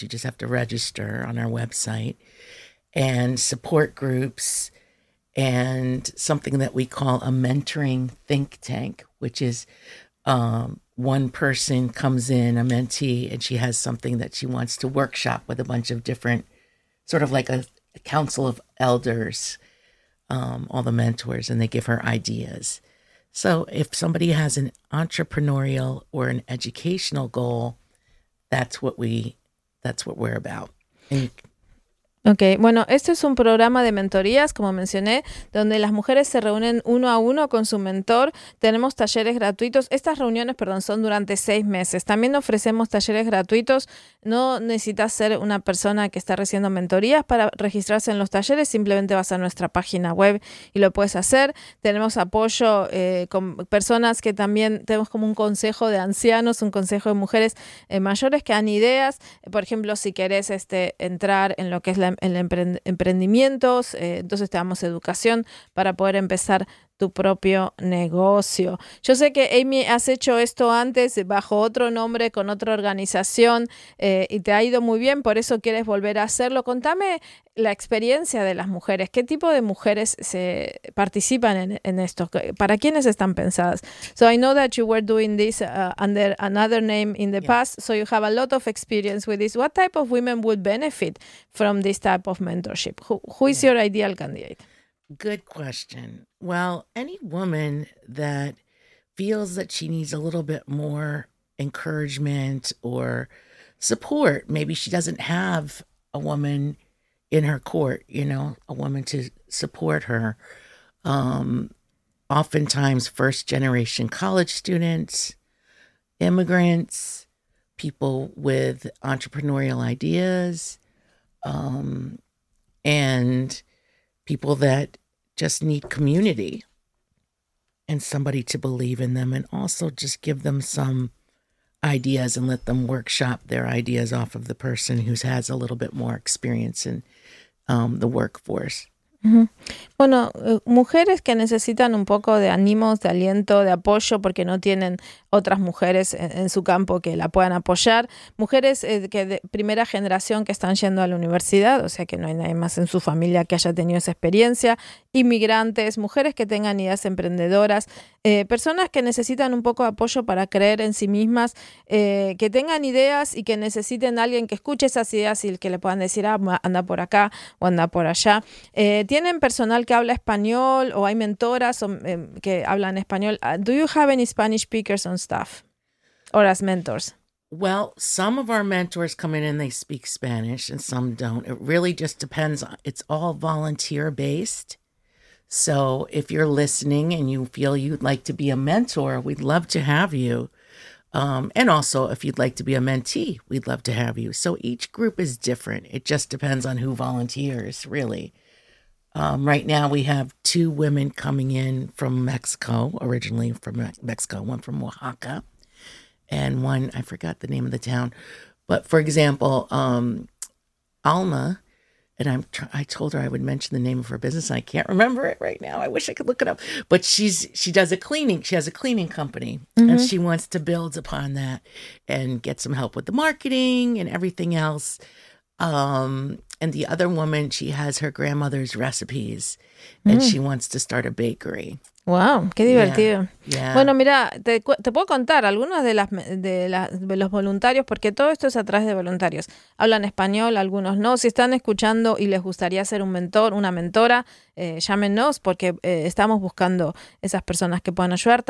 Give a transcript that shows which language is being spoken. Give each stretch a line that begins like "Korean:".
English: You just have to register on our website, and support groups, and something that we call a mentoring think tank, which is one person comes in, a mentee, and she has something that she wants to workshop with a bunch of different, sort of like a council of elders, all the mentors, and they give her ideas. So if somebody has an entrepreneurial or an educational goal, that's what we're about. And
Spanish: Ok, bueno, este es un programa de mentorías, como mencioné, donde las mujeres se reúnen uno a uno con su mentor. Tenemos talleres gratuitos. Estas reuniones, perdón, son durante 6 meses. También ofrecemos talleres gratuitos. No necesitas ser una persona que está recibiendo mentorías para registrarse en los talleres. Simplemente vas a nuestra página web y lo puedes hacer. Tenemos apoyo con personas que también tenemos como un consejo de ancianos, un consejo de mujeres mayores que dan ideas. Por ejemplo, si querés entrar en lo que es emprendimientos, entonces te damos educación para poder empezar tu propio negocio. Yo sé que Amy has hecho esto antes bajo otro nombre, con otra organización y te ha ido muy bien, por eso quieres volver a hacerlo. Contame la experiencia de las mujeres, ¿qué tipo de mujeres se participan en esto? ¿Para quiénes están pensadas?
English: So I know that you were doing this under another name in the past, so you have a lot of experience with this. What type of women would benefit from this type of mentorship? Who is your ideal candidate? Good question. Well, any woman that feels that she needs a little bit more encouragement or support, maybe she doesn't have a woman in her court, you know, a woman to support her. Oftentimes, first generation college students, immigrants, people with entrepreneurial ideas, and people that just need community and somebody to believe in them, and also just give them some ideas and let them workshop their ideas off of the person who has a little bit more experience in the workforce. Mm-hmm.
Spanish: Bueno, mujeres que necesitan un poco de ánimos, de aliento, de apoyo, porque no tienen otras mujeres en su campo que la puedan apoyar. Mujeres que de primera generación que están yendo a la universidad, o sea que no hay nadie más en su familia que haya tenido esa experiencia. Inmigrantes, mujeres que tengan ideas emprendedoras, personas que necesitan un poco de apoyo para creer en sí mismas, que tengan ideas y que necesiten a alguien que escuche esas ideas y que le puedan decir, ah, anda por acá o anda por allá. ¿Tienen personal que habla español o hay mentoras que hablan español?
English: Do you have any Spanish speakers on staff or as mentors? Well, some of our mentors come in and they speak Spanish and some don't. It really just depends. It's all volunteer-based. So if you're listening and you feel you'd like to be a mentor, we'd love to have you. And also, if you'd like to be a mentee, we'd love to have you. So each group is different. It just depends on who volunteers, really. Right now we have 2 women coming in from Mexico, originally from Mexico, one from Oaxaca, and one, I forgot the name of the town, but for example, Alma, and I told her I would mention the name of her business, and I can't remember it right now. I wish I could look it up, but she has a cleaning company, mm-hmm. and she wants to build upon that and get some help with the marketing and everything else. And the other woman, she has her grandmother's recipes and she wants to start a bakery.
Spanish: Wow, qué divertido. Yeah. Bueno, mira, te puedo contar algunos de los voluntarios, porque todo esto es a través de voluntarios. Hablan español, algunos no. Si están escuchando y les gustaría ser un mentor, una mentora, llámenos, porque estamos buscando esas personas que puedan ayudar.